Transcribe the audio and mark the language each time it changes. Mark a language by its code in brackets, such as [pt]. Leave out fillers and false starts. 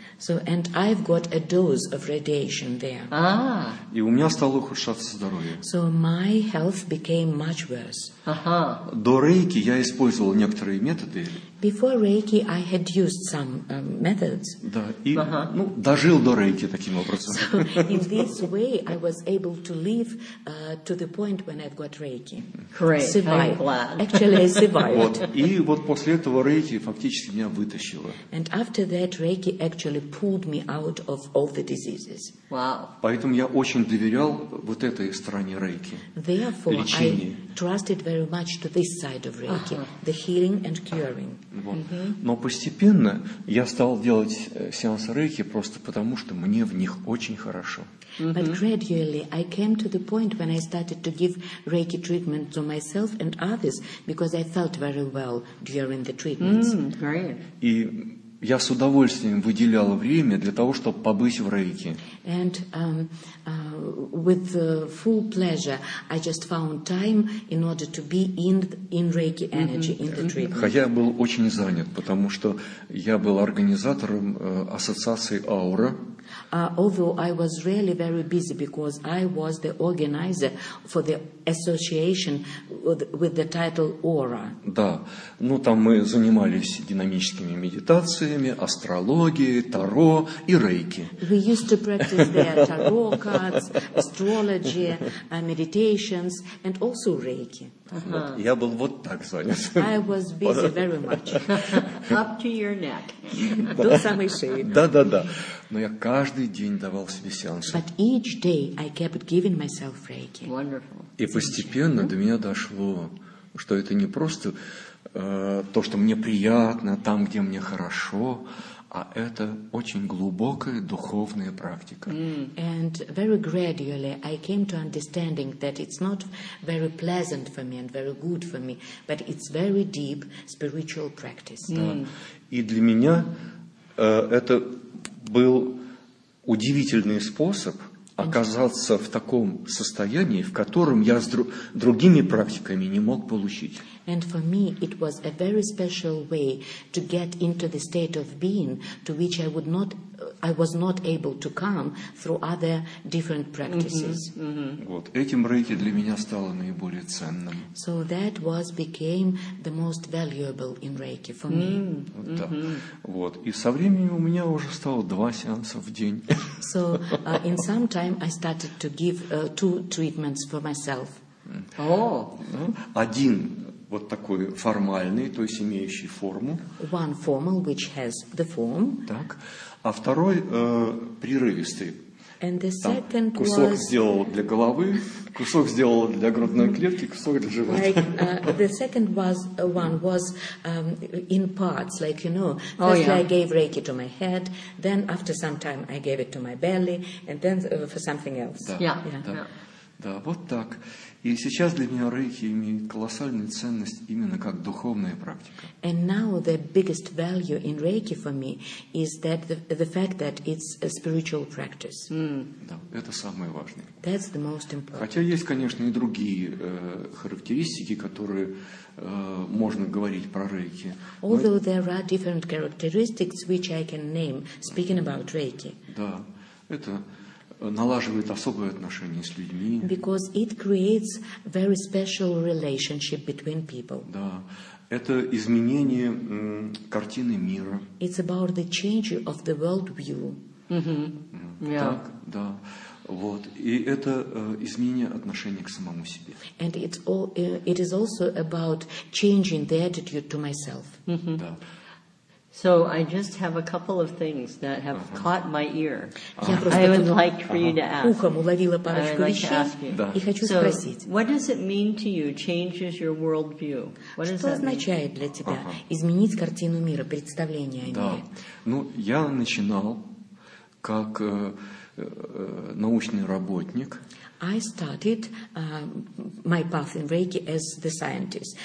[en] So and I've got a dose of radiation there. [ru] И у меня стало ухудшаться здоровье. [en] So my health became much worse. [ru] До Рейки я использовал некоторые методы. [en] Before Reiki I had used some methods. [ru] Да, и ну, дожил до Рейки таким образом. [en] So in this way I was able to live to the point when I've got Reiki. Great. Survived. Actually I survived. [ru] Вот. И вот после этого Рейки фактически меня вытащило. [en] And after that Reiki actually pulled me out of all the diseases. Wow. [ru] Поэтому я очень доверял вот этой стороне Рейки. [en] Therefore [ru] лечение. [en] I trusted very much to this side of Reiki, the healing and curing. [ru] Но постепенно я стал делать сеансы Рейки просто потому, что мне в них очень хорошо. [en] But gradually I came to the point when I started to give Reiki treatment to myself and others because I felt very well during the treatments. [ru] И я с удовольствием выделял время для того, чтобы побыть в Рейке. [en] And with full pleasure, I just found time in order to be in Reiki energy, in the treatment. [ru] Хотя я был очень занят, потому что я был организатором ассоциации Аура. [en] Although I was really very busy because I was the organizer for the association with the title Aura. [ru] Да, ну там мы занимались динамическими медитациями, астрологией, таро и рейки. [en] We used to practice there tarot cards, astrology, meditations, and also reiki. Вот, я был вот так занят. I was busy very much. Up to your neck. [ru] До самой шеи. Да. Но я каждый день давал себе сеансы. [en] But each day I kept giving myself Reiki. Wonderful. [ru] И постепенно до меня дошло, что это не просто то, что мне приятно, там, где мне хорошо, а это очень глубокая духовная практика. [en] And very gradually I came to understanding that it's not very pleasant for me and very good for me, but it's very deep spiritual practice. [ru] И для меня это был удивительный способ оказаться в таком состоянии, в котором я с другими практиками не мог получить. [en] And for me it was a very special way to get into the state of being to which I was not able to come through other different practices. Mm-hmm. Mm-hmm. [ru] Вот этим рейки для меня стало наиболее ценным. [en] So that was became the most valuable in Reiki for me. Mm-hmm. [ru] Вот, да. Вот. И со временем у меня уже стало 2 сеанса в день. [en] So in some time I started to give 2 treatments for myself. Oh. [ru] Один вот такой формальный, то есть имеющий форму. [en] One formal, which has the form. [ru] Так. А второй прерывистый. [en] And the [ru] там кусок [en] was [ru] сделал для головы, кусок сделал для грудной клетки, кусок для живота. [en] Like, the second was one was in parts, like you know. Oh, first yeah. I gave Reiki to my head, then after some time I gave it to my belly, and then for something else. [ru] Да, [en] yeah, [ru] да, [en] yeah. [ru] Да, вот так. И сейчас для меня рейки имеет колоссальную ценность именно как духовная практика. [en] And now the biggest value in Reiki for me is that the fact that it's a spiritual practice. Mm. [ru] Да, это самое важное. [en] That's the most important. [ru] Хотя есть, конечно, и другие характеристики, которые можно говорить про рейки. [en] Although there are different characteristics which I can name speaking about Reiki. [ru] Да, это налаживает особые отношения с людьми. [en] Because it creates very special relationship between people. [ru] Да. Это изменение картины мира. [en] It's about the change of the world view. Mm-hmm. Yeah. [ru] Так, да. Вот. И это изменение отношения к самому себе. [en] And it's all, it is also about changing the attitude to myself. Mm-hmm. [ru] Да. [en] So I just have a couple of things that have uh-huh. caught my ear. Uh-huh. I would like for uh-huh. you to ask. [ru] Ухом уловила парочку вещей. И хочу спросить. [en] What does it mean to you? Changes your world view. What does that [ru] означает для тебя? Uh-huh. Изменить картину мира, представление о ней. Да. Ну, я начинал как научный работник. [en] I started my path in Reiki as the scientist.